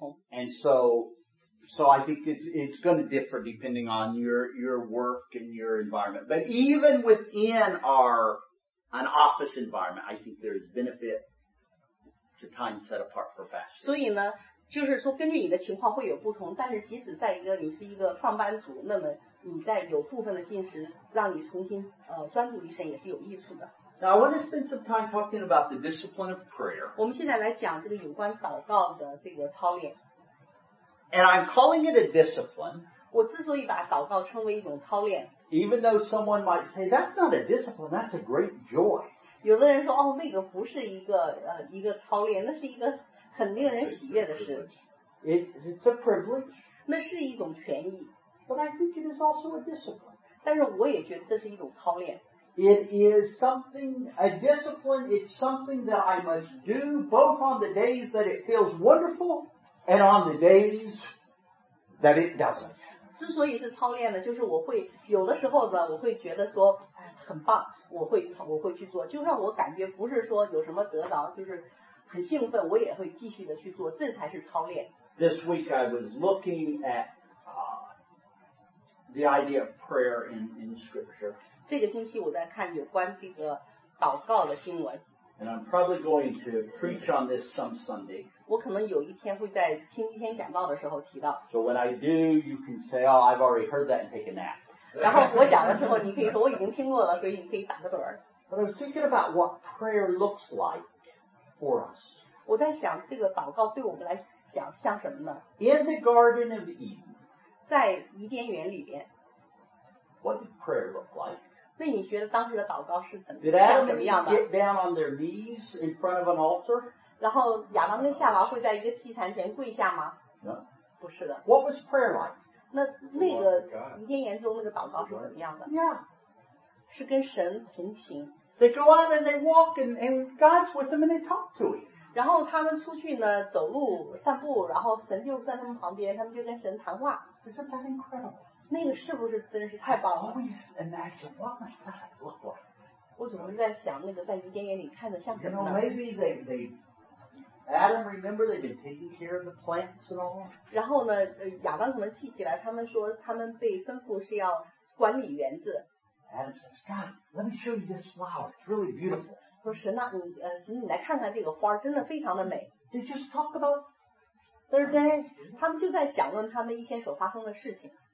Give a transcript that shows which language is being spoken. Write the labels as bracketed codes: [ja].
[en] And so I think it's going to differ depending on your work and your environment. But even within an office environment, I think there is benefit to time set apart for fasting. [zh] 所以呢, 就是说根据你的情况会有不同, 但是即使在一个你是一个上班族, 那么, 你在有部分的进食, 让你重新, 专注一身, [en] Now I want to spend some time talking about the discipline of prayer. [zh] 我们现在来讲这个有关祷告的这个操练。 [en] And I'm calling it a discipline. [zh] 我之所以把祷告称为一种操练, [en] even though someone might say, that's not a discipline, that's a great joy. [zh] 有的人说, 哦, 那个不是一个, 一个操练, 那是一个很令人喜悦的事。 [en] It's a privilege. [zh] 那是一种权益。 [en] But I think it is also a discipline. [zh] 但是我也觉得这是一种操练。 [en] It is something, a discipline, it's something that I must do both on the days that it feels wonderful and on the days that it doesn't. [zh] 之所以是操练的, 就是我会, 有的时候呢, 我会觉得说, 哎, 很棒, 我会, 我会去做, 就让我感觉不是说有什么得到, 就是很兴奋, 我也会继续的去做, 这才是操练。 [en] This week I was looking at the idea of prayer in scripture. [zh] 这个星期我在看有关这个祷告的经文。 [en] And I'm probably going to preach on this some Sunday. [zh] 我可能有一天会在星期天讲道的时候提到。 [en] So when I do, you can say, oh, I've already heard that and take a nap. [zh] 然后我讲的时候你可以说我已经听过了,所以你可以打个盹。 [en] But I was thinking about what prayer looks like for us. [zh] 我在想这个祷告对我们来讲像什么呢? [en] In the Garden of Eden, [zh] 在伊甸园里边, [en] what did prayer look like? [zh] 那你觉得当时的祷告是怎么样的? [en] Did Adam and Eve get down on their knees in front of an altar? [zh] 然后亚当跟夏娃会在一个祭坛前跪下吗? [en] No. [zh] 不是的。 [en] What was prayer like? [zh] 那个伊甸园中那个祷告是怎么样的? [en] Yeah. [zh] 是跟神同行。 [en] They go out and they walk and God's with them and they talk to him. [zh] 然后他们出去呢, 走路, 散步, 然后神就在他们旁边, 他们就跟神谈话。 [en] Isn't that incredible? [zh] 那个是不是真是太棒了? [en] I always imagine, what must that have looked like? [zh] 我总是在想那个在伊甸园里看着像什么呢? [en] You know, maybe they Adam, remember, they've been taking care of the plants and all? [zh] 然后呢, 亚当可能记起来, 他们说, 他们被吩咐是要管理园子。 [en] Adam says, God, let me show you this flower, it's really beautiful. [zh] 说神啊, 你来看看这个花, 真的非常的美。 [en] They just talk about their day. [zh] 他们就在讲论他们一天所发生的事情。